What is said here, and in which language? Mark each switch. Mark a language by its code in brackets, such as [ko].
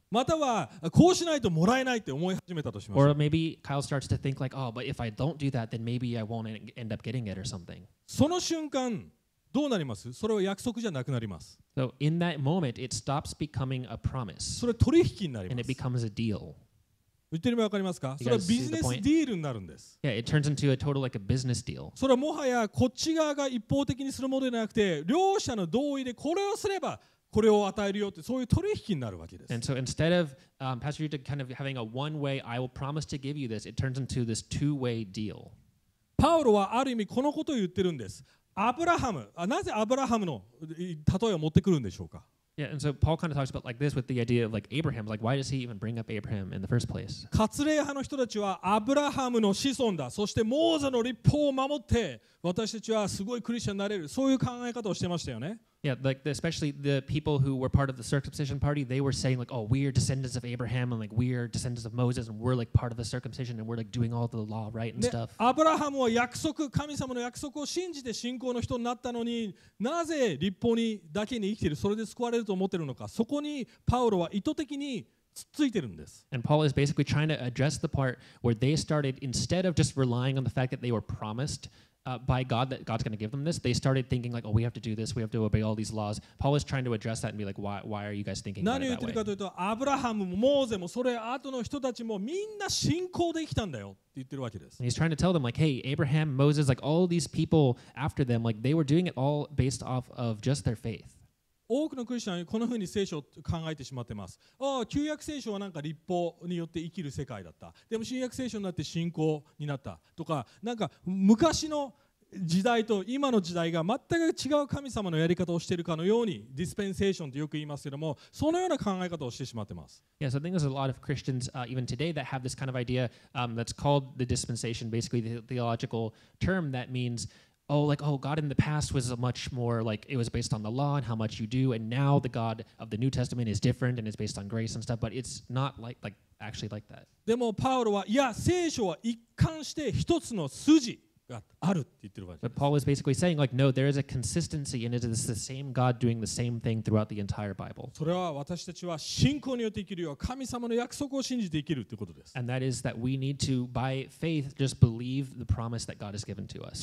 [ja] またはこうしないともらえないって思い始めたとしましょう。 [en] Or maybe Kyle starts to think like, oh, but if I don't do that, then maybe I won't end up getting it or something. [ja] その瞬間どうなります？それは約束じゃなくなります。 [en] So in that moment, it stops becoming a promise. [ja] それ取引になります。 [en] And it becomes a deal. [ja] 言ってる意味わかりますか？それはビジネスディールになるんです。 [en] Yeah, it turns into a total like a business deal. [ja] それはもはやこっち側が一方的にするものではなくて、両者の同意でこれをすればこれを与えるよってそういう取引になるわけです。 [en] And so instead of Pastor Yuta kind of having a one way, I will promise to give you this, it turns into this two way deal. [ja] パウロはある意味このことを言ってるんです。アブラハム、なぜアブラハムの例えを持ってくるんでしょうか？ [en] Yeah, and so Paul kind of talks about like this with the idea of like Abraham. Like, why does he even bring up Abraham in the first place? [ja] カツレ派の人たちはアブラハムの子孫だ。そしてモーゼの律法を守って私たちはすごいクリスチャンになれる。そういう考え方をしてましたよね。 [en] Yeah, like especially the people who were part of the circumcision party, they were saying like, oh, we are descendants of Abraham and like we are descendants of Moses and we're like part of the circumcision and we're like doing all the law right and stuff. [ja] アブラハムは約束、神様の約束を信じて信仰の人になったのに、なぜ律法にだけに生きている、それで救われると思っているのか。そこにパウロは意図的に。 [en] And Paul is basically trying to address the part where they started, instead of just relying on the fact that they were promised by God that God's going to give them this, they started thinking like, oh, we have to do this, we have to obey all these laws. Paul is trying to address that and be like, why are you guys thinking that way? [ja] 何を言ってるかというと、アブラハムもモーゼもそれ後の人たちもみんな信仰で生きたんだよって言ってるわけです。 [en] And he's trying to tell them like, hey, Abraham, Moses, like all these people after them, like they were doing it all based off of just their faith. [ja] 多くのクリスチャンはこのふうに聖書を考えてしまっています。ああ、旧約聖書はなんか律法によって生きる世界だった。でも新約聖書になって信仰になったとか、なんか昔の時代と今の時代が全く違う神様のやり方をしているかのようにディスペンセーションとよく言いますけども、そのような考え方をしてしまっています。 [en] Yeah, so I think there's a lot of Christians, even today, that have this kind of idea, that's called the dispensation, basically the theological term that means. Oh, like, oh, God in the past was much more like it was based on the law and how much you do, and now the God of the New Testament is different and it's based on grace and stuff, but it's not like actually like that. [ja] でもパウロは、いや、聖書は一貫して一つの筋。 [en] But Paul is basically saying, like, no, there is a consistency, and it is the same God doing the same thing throughout the entire Bible. And that is that we need to, by faith, just believe the promise that God has given to us.